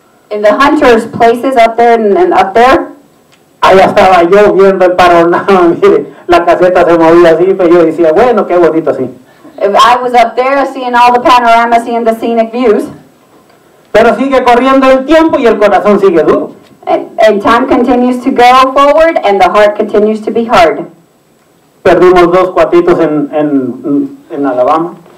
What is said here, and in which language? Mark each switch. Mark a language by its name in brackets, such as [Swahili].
[English] In the hunters' places up there and up there. [Spanish] Allá estaba yo viendo el panorama. Mire, la caseta se movía así, pero yo decía, bueno, qué bonito así. [English] I was up there seeing all the panoramas, seeing the scenic views. [Spanish] Pero sigue corriendo el tiempo y el corazón sigue duro. [English] And time continues to go forward and the heart continues to be hard. [Spanish] Perdimos 2 cuatitos en Alabama.